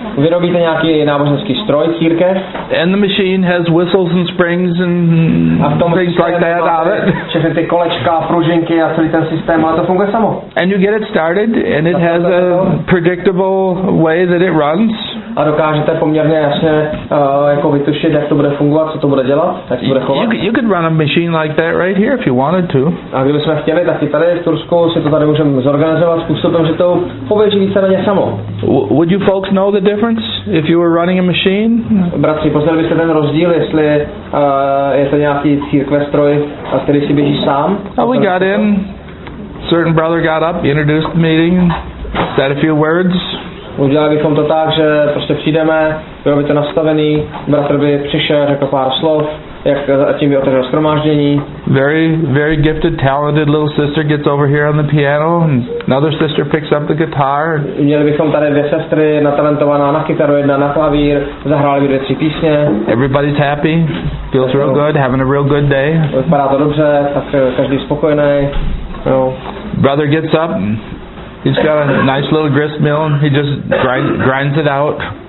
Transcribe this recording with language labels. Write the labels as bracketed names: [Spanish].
[Czech] Vyrobíte nějaký náboženský stroj, církev. [English] And the machine has whistles and springs and things like that out of it. [Czech] Všechny ty kolečka, pružinky a celý ten systém, ale to funguje samo. [English] And you get it started and it has a predictable way that it runs. [Czech] A dokážete poměrně jasně jako vytušit, jak to bude fungovat, co to bude dělat, jak to bude chovat. [English] You could run a machine like that right here if you wanted to. [Czech] A kdybychom chtěli, tak i tady v Tursku si to tady můžeme zorganizovat způsobem, že to poběží víceméně samo. [English] Would you folks know the difference if you were running a machine? [Czech] Bratři, poznali byste ten rozdíl, jestli je to nějaký církve stroj, a který si běží sám? [English] Well, we got in. Certain brother got up, introduced the meeting, said a few words. [Czech] Udělali bychom to tak, že prostě přijdeme, bylo by to nastavený, bratr by přišel, řekl pár slov, jak tím by otevřel shromáždění. [English] Very, very gifted, talented little sister gets over here on the piano and another sister picks up the guitar. [Czech] Měli bychom tady dvě sestry, natalentovaná na kytaru, jedna na klavír, zahráli by dvě, tři písně. [English] Everybody's happy, feels real good, having a real good day. [Czech] Vypadá to dobře, tak každý spokojený. [English] No. Brother gets up. He's got a nice little grist mill and he just grinds it out.